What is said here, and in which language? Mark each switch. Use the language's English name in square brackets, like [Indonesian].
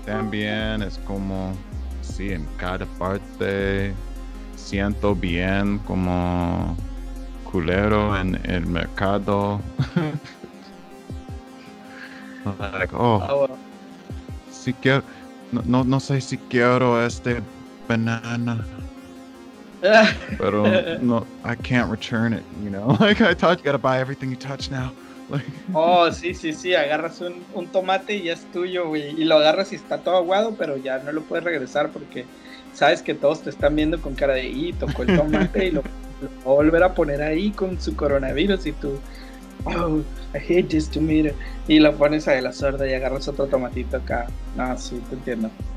[Spanish] Y también es como sí, en cada parte siento bien como culero en el mercado. [English] Like, oh. [Spanish] Si quiero, no sé si quiero este banana. [English] But no, I can't return it, you know. Like I thought you gotta buy everything you touch now. Like [Spanish] oh sí, agarras un tomate y ya es tuyo, güey. Y lo agarras y está todo aguado, pero ya no lo puedes regresar porque sabes que todos te están viendo con cara de tocó el tomate y lo volver a poner ahí con su coronavirus y tú [English] Oh, I hate this tomato. [Spanish] Y lo pones a de la sorda y agarras otro tomatito acá. No, sí, te entiendo.